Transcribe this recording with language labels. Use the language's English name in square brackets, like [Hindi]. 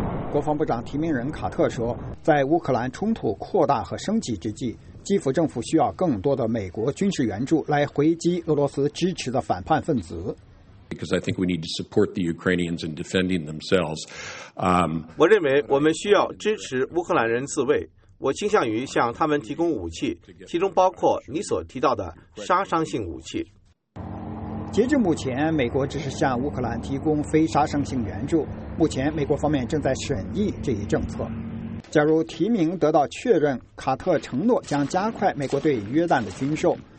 [Chinese] 国防部长提名人卡特说，在乌克兰冲突扩大和升级之际，基辅政府需要更多的美国军事援助来回击俄罗斯支持的反叛分子。 [English] Because I think we need to support the Ukrainians in defending themselves. [Chinese] 我认为我们需要支持乌克兰人自卫。我倾向于向他们提供武器，其中包括你所提到的杀伤性武器。截至目前，美国只是向乌克兰提供非杀伤性援助。目前，美国方面正在审议这一政策。假如提名得到确认，卡特承诺将加快美国对约旦的军售。